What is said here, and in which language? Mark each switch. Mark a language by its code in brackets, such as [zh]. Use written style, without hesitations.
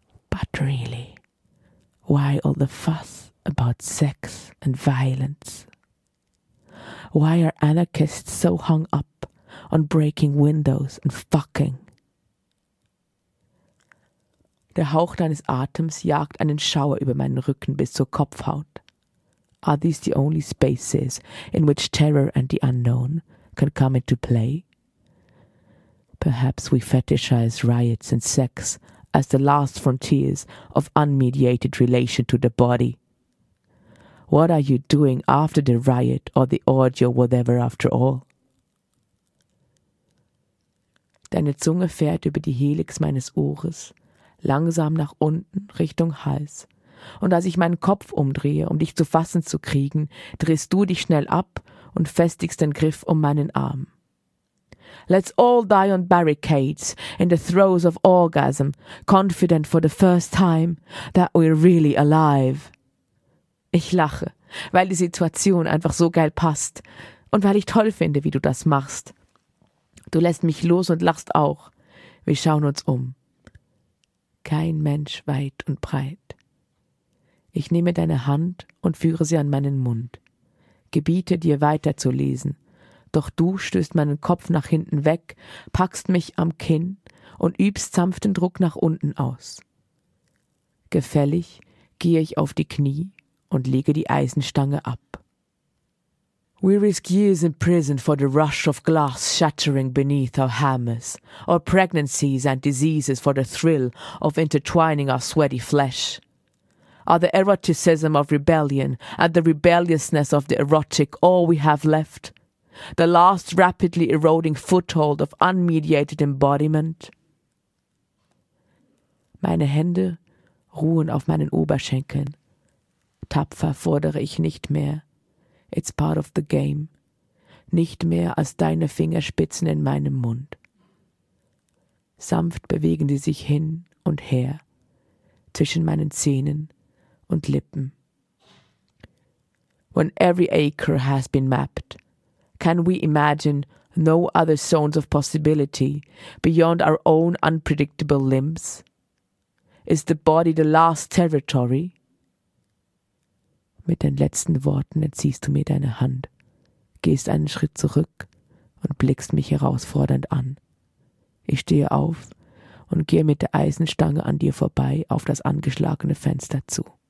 [en] But really, why all the fuss? About sex and violence. Why are anarchists so hung up on breaking windows and fucking? [de] Der Hauch deines Atems jagt einen Schauer über meinen Rücken bis zur Kopfhaut. [en] Are these the only spaces in which terror and the unknown can come into play? Perhaps we fetishize riots and sex as the last frontiers of unmediated relation to the body. What are you doing after the riot or the orgy or whatever after all? [de] Deine Zunge fährt über die Helix meines Ohres, langsam nach unten Richtung Hals. Und als ich meinen Kopf umdrehe, um dich zu fassen zu kriegen, drehst du dich schnell ab und festigst den Griff um meinen Arm. [en] Let's all die on barricades in the throes of orgasm, confident for the first time that we're really alive. [de] Ich lache, weil die Situation einfach so geil passt und weil ich toll finde, wie du das machst. Du lässt mich los und lachst auch. Wir schauen uns um. Kein Mensch weit und breit. Ich nehme deine Hand und führe sie an meinen Mund. Gebiete dir weiterzulesen, doch du stößt meinen Kopf nach hinten weg, packst mich am Kinn und übst sanften Druck nach unten aus. Gefällig gehe ich auf die Knie und lege die Eisenstange ab. [en] We risk years in prison for the rush of glass shattering beneath our hammers, or pregnancies and diseases for the thrill of intertwining our sweaty flesh. Are the eroticism of rebellion and the rebelliousness of the erotic all we have left? The last rapidly eroding foothold of unmediated embodiment? [de] Meine Hände ruhen auf meinen Oberschenkeln. Tapfer fordere ich nicht mehr. [en] It's part of the game. [de] Nicht mehr als deine Fingerspitzen in meinem Mund. Sanft bewegen sie sich hin und her, zwischen meinen Zähnen und Lippen. [en] When every acre has been mapped, can we imagine no other zones of possibility beyond our own unpredictable limbs? Is the body the last territory? [de] Mit den letzten Worten entziehst du mir deine Hand, gehst einen Schritt zurück und blickst mich herausfordernd an. Ich stehe auf und gehe mit der Eisenstange an dir vorbei auf das angeschlagene Fenster zu.